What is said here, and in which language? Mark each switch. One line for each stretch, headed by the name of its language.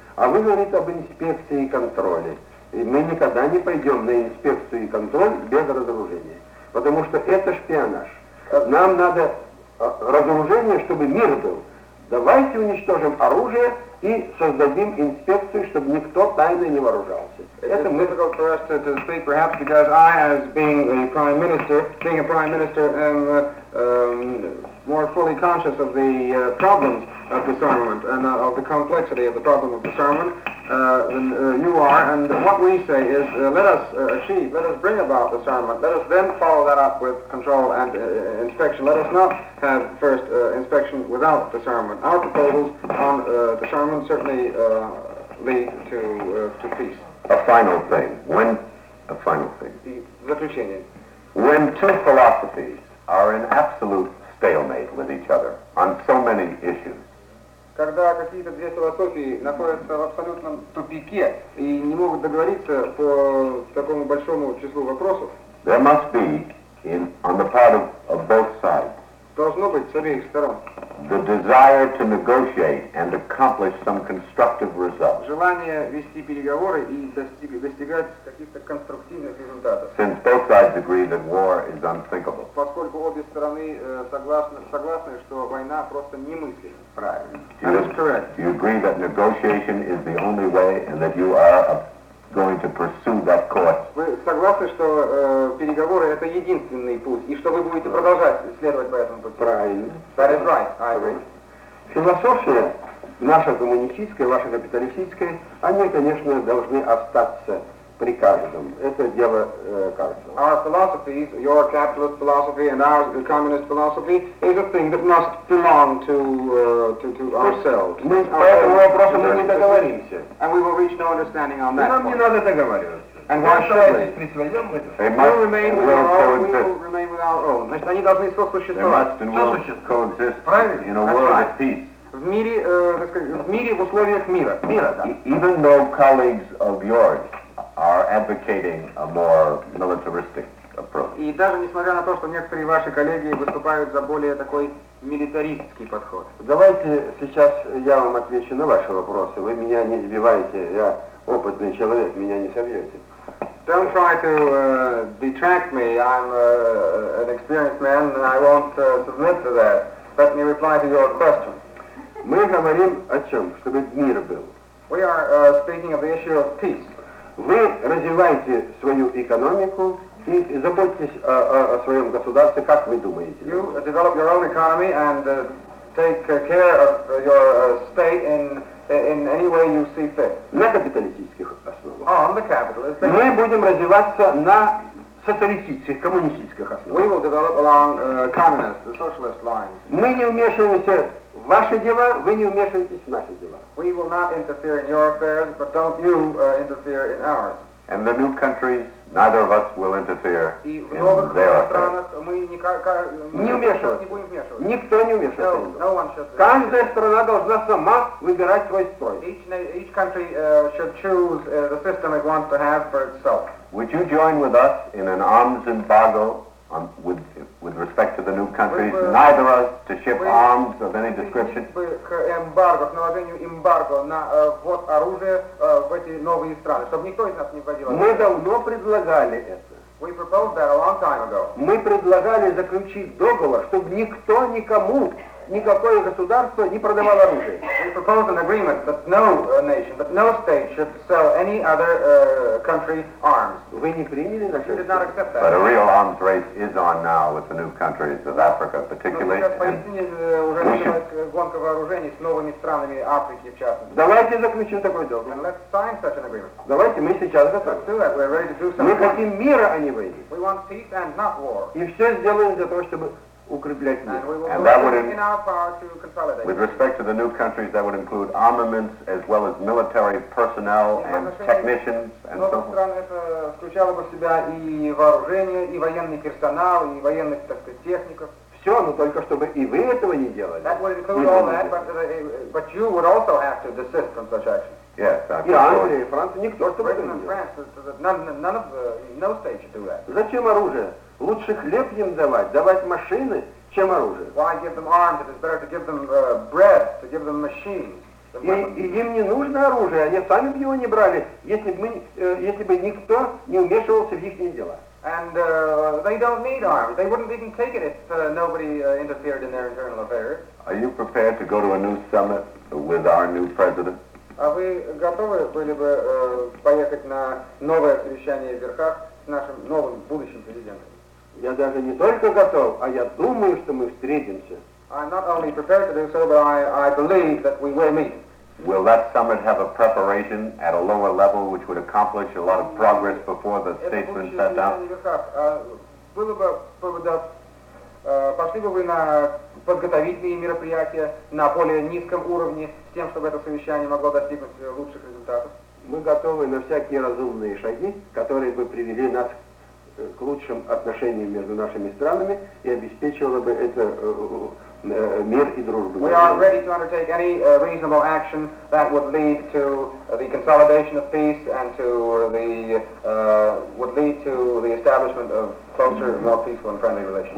Russian: А вы говорите об инспекции и контроле. И мы никогда не пойдем на инспекцию и контроль без разоружения. Потому что это шпионаж. Нам надо разоружение, чтобы мир был. Давайте уничтожим оружие и создадим инспекцию, чтобы никто тайно не вооружался. Это
English: difficult for us to speak, perhaps because I, as being the prime minister, being a prime minister, am more fully conscious of the problems of disarmament and of the complexity of the problem of disarmament than you are. And what we say is, let us achieve, let us bring about disarmament. Let us then follow that up with control and inspection. Let us not have first inspection without disarmament. Our proposals on disarmament certainly lead to peace. A final thing. When two philosophies are in absolute stalemate with each other on so many issues.
Russian: Когда какие-то две философии находятся в абсолютном тупике и не могут договориться по такому большому числу вопросов.
English: There must be on the part of both sides.
Russian: Должно быть с обеих сторон.
English: The desire to negotiate and accomplish some constructive result.
Russian: Желание вести переговоры и достигать каких-то конструктивных результатов.
English: Since both sides agree that war is unthinkable.
Russian: Поскольку обе стороны согласны, что война просто немыслима. Правильно.
English: That is correct. Do you agree that negotiation is the only way and that you are going to pursue that course?
Russian: Вы согласны, что переговоры это единственный путь, и что вы будете продолжать следовать по этому пути? Правильно.
English: That is right. I agree.
Russian: Философия, наша коммунистическая, ваша капиталистическая, они, конечно, должны остаться при каждом. Это дело каждого.
English: Our philosophies, your capitalist philosophy and our communist philosophy, is a thing that must belong to ourselves.
Russian: Мы по этому вопросу не договоримся.
English: And we will reach no understanding on that.
Russian: Нам не надо договариваться.
English: And why should we?
Russian: При своем этом.
English: We'll remain with our own.
Russian: Значит, они должны сосуществовать.
English: They must and will coexist.
Russian: Правильно?
English: In a world of peace.
Russian: В мире, в условиях мира. Мира, да.
English: Even though colleagues of yours are advocating a more militaristic approach.
Russian: И даже несмотря на то, что некоторые ваши коллеги выступают за более такой милитаристский подход. Давайте сейчас я вам отвечу на ваши вопросы. Вы меня не сбиваете, я опытный человек, меня не собьете.
English: Don't try to detract me. I'm an experienced man and I won't submit to that. Let me reply to your question.
Russian: Мы говорим о чем? Чтобы мир был.
English: We are speaking of the issue of peace.
Russian: Вы развиваете свою экономику и заботьтесь о своем государстве, как вы думаете.
English: You develop your own economy and take care of your state in any way you see fit.
Russian: На капиталистических основах.
English: On the capitalist.
Russian: Мы будем развиваться на социалистических, коммунистических основах.
English: We will develop along communist, the socialist lines.
Russian: Мы не вмешиваемся в ваши дела, вы не вмешиваетесь в наши дела.
English: We will not interfere in your affairs, but don't you interfere in ours. And the new countries, neither of us will interfere in their affairs.
Russian: Не вмешиваться. Никто не вмешивается. Каждая страна должна сама выбирать свой строй.
English: Each country should choose the system it wants to have for itself. Would you join with us in an arms embargo with respect to the new countries, neither us to ship arms of any description.
Russian: К эмбарго, к наложению эмбарго на ввод оружия в эти новые страны, чтобы никто из нас не вводил. Мы давно предлагали это.
English: We proposed that a long time ago.
Russian: Мы предлагали заключить договор, чтобы никто никому, никакое государство не продавало оружие.
English: We proposed an agreement that no nation, that no state should sell any other country arms.
Russian: Вы не приняли наше?
English: You did not accept that. But a real arms race is on now with the new countries of Africa, particularly.
Russian: Сейчас поистине уже начинается гонка вооружений с новыми странами Африки, в частности. Давайте заключим такой договор.
English: And let's sign such an agreement.
Russian: Давайте, мы сейчас готовы.
English: Let's do that. We're ready to do something.
Russian: Мы хотим мира, а не войны.
English: We want peace and not war.
Russian: И все сделаем для того, чтобы укреплять мир.
English: And that would in our power to consolidate. With respect to the new countries, that would include armaments as well as military personnel and technicians and so forth.
Russian: Это включало бы в себя и вооружение, и военный персонал, и военных, так сказать, техников. Все, но только чтобы и вы этого не делали.
English: That would include all that, but you would also have to desist from such action. Yes,
Russian: и Англия, и Франция, никто чтобы это не делал.
English: None of the state should do that.
Russian: Зачем оружие? Лучше хлеб им давать, давать машины, чем оружие.
English: Why give them arms if it's better to give them bread, to give them machines?
Russian: И им не нужно оружие, они сами бы его не брали, если бы никто не вмешивался в их дела.
English: And they don't need arms. They wouldn't even take it if nobody interfered in their internal affairs. Are you prepared to go to a new summit with our new president?
Russian: А вы готовы были бы поехать на новое совещание в Верхах с нашим новым будущим президентом? Я даже не только готов, а я думаю, что мы встретимся.
English: I'm not only prepared to do so, but I believe that we will meet. Will that summit have a preparation at a lower level which would accomplish a lot of progress before the statesmen sat down?
Russian: Это будущее совещание в Верхах. Было бы, да, пошли бы вы на подготовительные мероприятия на более низком уровне, с тем, чтобы это совещание могло достигнуть лучших результатов? Мы готовы на всякие разумные шаги, которые бы привели нас к лучшим отношениям между нашими странами и обеспечивало бы это мир и дружбу.
English: We are ready to undertake any reasonable action that would lead to the consolidation of peace and to the would lead to the establishment of closer, more peaceful and friendly relations.